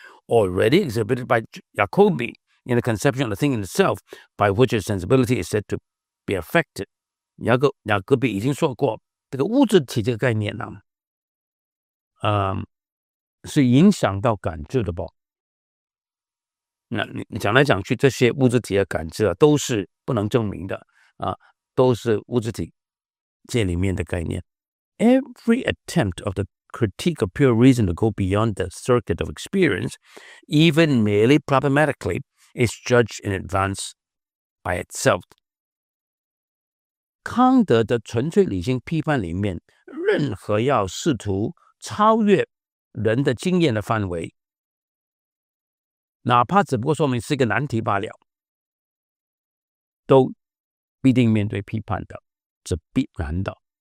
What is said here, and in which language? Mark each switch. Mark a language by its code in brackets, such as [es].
[en] Already exhibited by Jacobi in the conception of the thing in itself by which its sensibility is said to be affected. [zh] 雅各比已经说过，这个物质体这个概念呢，是影响到感知的吧。那你讲来讲去，这些物质体的感知啊，都是不能证明的啊，都是物质体界里面的概念。 [en] Every attempt of the critique of pure reason to go beyond the circuit of experience, even merely problematically, is judged in advance by itself. [zh] 康德的纯粹理性批判里面，任何要试图超越人的经验的范围，哪怕只不过说明是一个难题罢了，都必定面对批判的，是必然的。